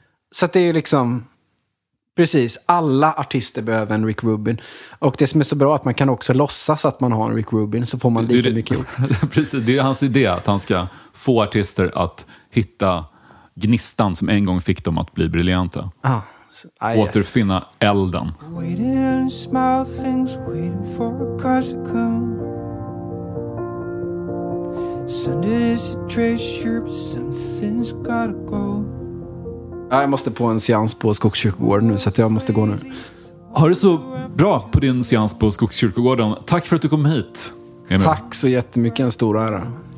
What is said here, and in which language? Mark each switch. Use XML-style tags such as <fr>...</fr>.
<sv>Så att det är liksom, precis, alla artister behöver en Rick Rubin. Och det som är så bra, att man kan också låtsas att man har en Rick Rubin, så får man lite mycket gjort. Precis, det är hans idé, att han ska få artister att hitta gnistan som en gång fick dem att bli briljanta. Ja. Återfinna elden.</sv> <en>Waiting on small things, waiting for a cause to come. Sunday is a treasure, but something's gotta go.</en> <sv>Jag måste på en seans på Skogskyrkogården nu, så att jag måste gå nu. Ha det så bra på din seans på Skogskyrkogården. Tack för att du kom hit, Emil. Tack så jättemycket, en stor ära.</sv>